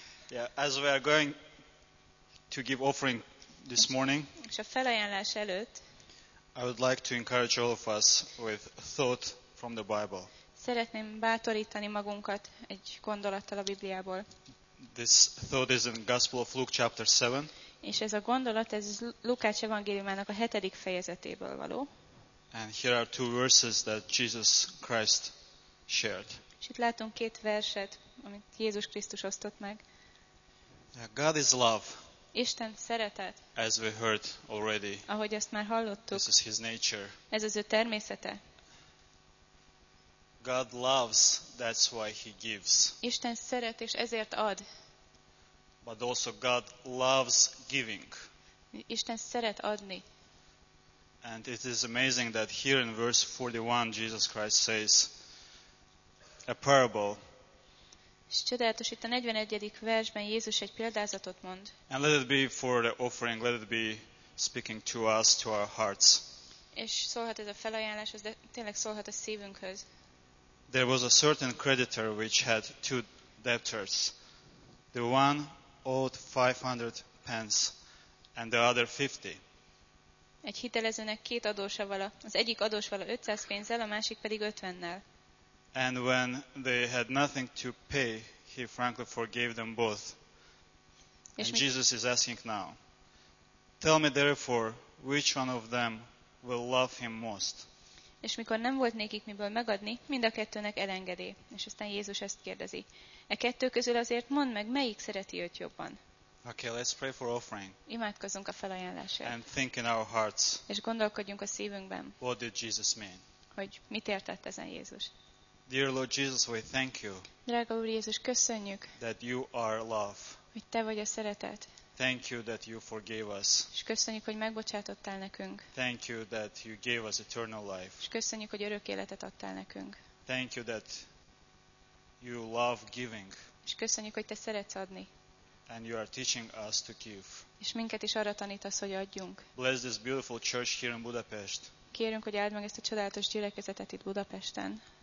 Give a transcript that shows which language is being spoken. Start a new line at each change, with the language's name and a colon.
English: Yeah, as we are going to give offering this morning.
Hungarian: És a felajánlás előtt.
English: I would like to encourage all of us with thought from the Bible.
Hungarian: Szeretném bátorítani magunkat egy gondolattal a Bibliából.
English: This thought is in the Gospel of Luke chapter 7.
Hungarian: És ez a gondolat ez Lukács evangéliumának a 7. fejezetéből való.
English: And here are two verses that Jesus Christ shared.
Hungarian: És itt látunk két verset, amit Jézus Krisztus osztott meg.
English: God is love.
Hungarian: Isten szeretet.
English: As we heard already.
Hungarian: Ahogy ezt már hallottuk.
English: This is his nature.
Hungarian: Ez az ő természete.
English: God loves, that's why he gives.
Hungarian: Isten szeret és ezért ad.
English: But also God loves giving.
Hungarian: Isten szeret adni.
English: And it is amazing that here in verse 41 Jesus Christ says a parable.
Hungarian: És csodálatos, itt a 41. versben Jézus egy példázatot mond.
English: And let it be for the offering, let it be speaking to us, to our hearts.
Hungarian: És szólhat ez a felajánlás, ez tényleg szólhat a szívünkhöz.
English: There was a certain creditor which had two debtors. The one owed 500 pence and the other 50.
Hungarian: Egy hitelezőnek két adósa vala. Az egyik adós vala 500 pénzzel, a másik pedig 50-nel.
English: And when they had nothing to pay, he frankly forgave them both. And Jesus is asking now, tell me therefore, which one of them will love him most?
Hungarian: És mikor nem volt nékik miből megadni, mind a kettőnek elengedi. És aztán Jézus ezt kérdezi. E kettő közül azért mondd meg, melyik szereti őt jobban.
English: Okay, let's pray for offering.
Hungarian: Imádkozzunk a felajánlásért.
English: And think in our hearts.
Hungarian: És gondolkodjunk a szívünkben.
English: What did Jesus mean?
Hungarian: Hogy mit értett ezen Jézus?
English: Dear Lord Jesus, we thank you.
Hungarian: Drága Úr Jézus, köszönjük.
English: That you are love.
Hungarian: Hogy te vagy a szeretet.
English: Thank you that you forgave us.
Hungarian: És köszönjük, hogy megbocsátottál nekünk.
English: Thank you that you gave us eternal life.
Hungarian: És köszönjük, hogy örök életet adtál nekünk.
English: Thank you that you love giving.
Hungarian: És köszönjük, hogy te szeretsz adni.
English: And you are teaching us to give.
Hungarian: És minket is arra tanítasz, hogy adjunk.
English: Bless this beautiful church here in Budapest.
Hungarian: Kérünk, hogy áld meg ezt a csodálatos gyülekezetet itt Budapesten.